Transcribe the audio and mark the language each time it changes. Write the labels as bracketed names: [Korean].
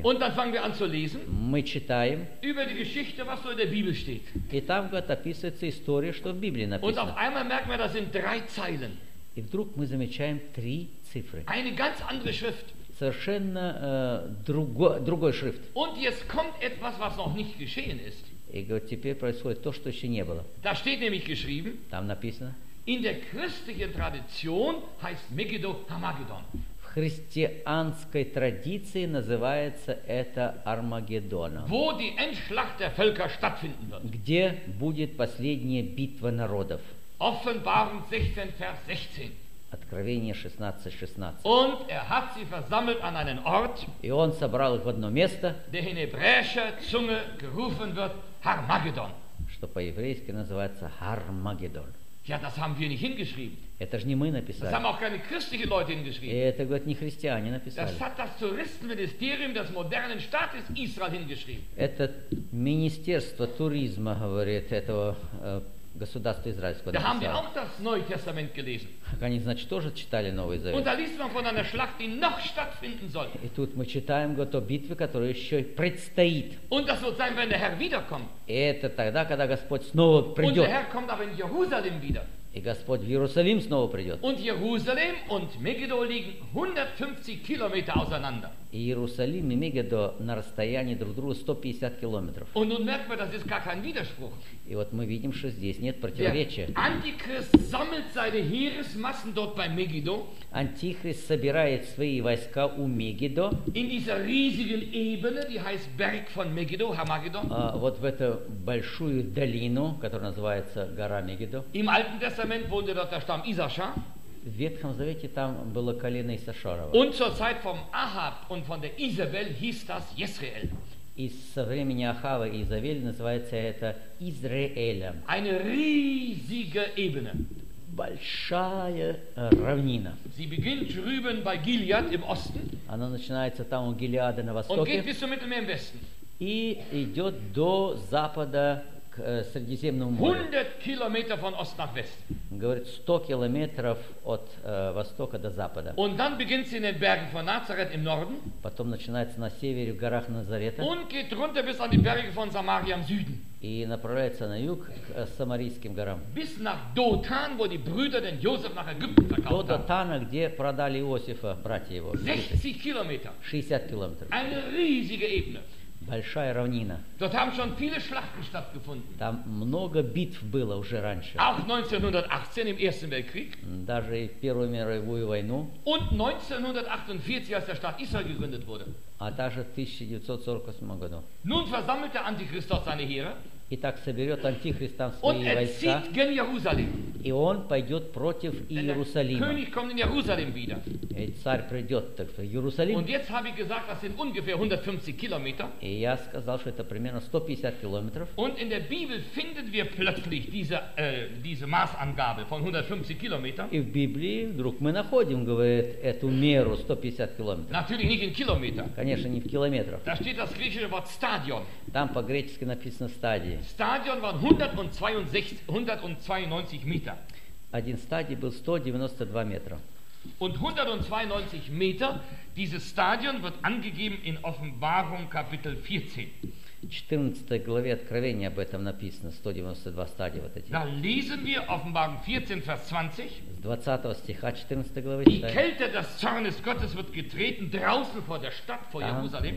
[German] Und dann fangen wir an zu lesen. [Russian] Мы читаем. [German] Über die Geschichte, was so in der Bibel steht. [Russian] И там описывается история, что в Библии написано. [German] Und auf einmal merken wir, das sind drei Zeilen. [Russian] И вдруг мы замечаем три цифры. [German] Eine ganz andere Schrift. [Russian] Совершенно другой шрифт. [German] Und jetzt kommt etwas, was noch nicht geschehen ist. [Russian] И говорит, теперь происходит то, что еще не было. [German] Da steht nämlich geschrieben, [Russian] там написано, [German] in der christlichen Tradition heißt Megiddo Armageddon. [Russian] В христианской традиции называется это Армагеддоном. [German] Wo die Endschlacht der Völker stattfinden wird. [Russian] Где будет последняя битва народов. [German] Offenbarung 16, Vers 16. [Russian] Откровение 16:16. [German] Und hat sie versammelt an einen Ort, [Russian] и он собрал их в одно место, [German] der in hebräischer Zunge gerufen wird, Armageddon. [Russian] Что по-еврейски называется Армагеддон. [German] Ja, das haben wir nicht hingeschrieben. [Russian] Это же не мы написали. [German] Das haben auch keine christlichen Leute hingeschrieben. [Russian] И это, говорит, не христиане написали. [German] Das hat das Touristenministerium des modernen Staates Israel hingeschrieben. [Russian] Это министерство туризма, говорит, этого государства израильского. [German] Da haben wir auch das Neue Testament gelesen. [Russian] Они, значит, тоже читали Новый Завет. [German] Und da liest man von einer Schlacht, die noch stattfinden soll. [Russian] И тут мы читаем, говорит, о битве, которая еще предстоит. [German] Und das wird sein, wenn der Herr wiederkommt. [Russian] И это тогда, когда Господь снова придет. [German] Und der Herr kommt aber in Jerusalem wieder. [Russian] И Господь в Иерусалим снова придет. [German] Und Jerusalem und Megiddo liegen 150 Kilometer auseinander. [Russian] И Иерусалим и Мегиддо на расстоянии друг друга 150 километров. [German] Und nun merkt man, das ist gar kein Widerspruch. [Russian] И вот мы видим, что здесь нет противоречия. [German] Der Antichrist sammelt seine Heeresmassen dort bei Megiddo. [Russian] Антихрист собирает свои войска у Мегиддо. [German] In dieser riesigen Ebene, die heißt Berg von Megiddo, Armageddon. [Russian] Вот в эту большую долину, которая называется гора Мегиддо. [German] Im Alten Testament wohnte dort der Stamm Issachar. [Russian] В Ветхом Завете там было колено Иссашарова. [German] Und zur Zeit von Ahab und von der Isabel hieß das Jezreel. [Russian] И со времени Ахава и Изавели называется это Израилем. [German] Eine riesige Ebene. [Russian] Большая равнина. [German] Sie beginnt drüben bei Gilead im Osten. [Russian] Она начинается там у Гилеада на востоке. [German] Und geht bis zum Mittelmeer im Westen. [Russian] И идет до запада к Средиземному морю. [German] 100 Kilometer von Ost nach West. [Russian] Говорит, 100 километров от востока до запада. [German] Und dann beginnt sie in den Bergen von Nazareth im Norden. [Russian] Потом начинается на севере в горах Назарета. [German] Und geht runter bis an die Berge von Samaria im Süden. [Russian] И направляется на юг к Самарийским горам. [German] Bis nach Dothan, wo die Brüder den Josef nach Ägypten verkauft haben. [Russian] До Дотана, где продали Иосифа, братья его. [German] 60 Kilometer. [Russian] 60 километров. [German] Eine riesige Ebene. [Russian] Большая равнина. [German] Dort haben schon viele Schlachten stattgefunden. [Russian] Там много битв было уже раньше. [German] Auch 1918 im Ersten Weltkrieg. [Russian] Даже в Первую мировую войну. [German] Und 1948, als der Staat Israel gegründet wurde. [Russian] А также в 1948 году. [German] Nun versammelt der Antichrist dort seine Heere. [Russian] И так соберет Антихрист там свои [German] und [Russian] войска. [German] Und er zieht gen Jerusalem. [Russian] И он пойдет против Иерусалима. [German] Der König kommt in Jerusalem wieder. [Russian] И царь придет так, в Иерусалим. [German] Und jetzt habe ich gesagt, das sind ungefähr 150 Kilometer. [Russian] И я сказал, что это примерно 150 километров. [German] Und in der Bibel finden wir plötzlich diese Maßangabe von 150 Kilometer. [Russian] И в Библии вдруг мы находим, говорит, эту меру 150 километров. [German] Natürlich nicht in Kilometer. [Russian] Конечно, не в километрах. [German] Da steht das griechische Wort Stadion. [Russian] Там по-гречески написано стадион. [German] Stadion waren 192 Meter. [Russian] Один стадион был 192 метра. [German] Und 192 Meter, dieses Stadion wird angegeben in Offenbarung Kapitel 14. 14. [Russian] главе Откровения об этом написано, 192 стадия вот эти. [German] Da lesen wir Offenbarung 14, Vers 20. [Russian] С 20 стиха 14 главы читаем. [German] Die Kälte des Zornes Gottes wird getreten draußen vor der Stadt, vor Jerusalem.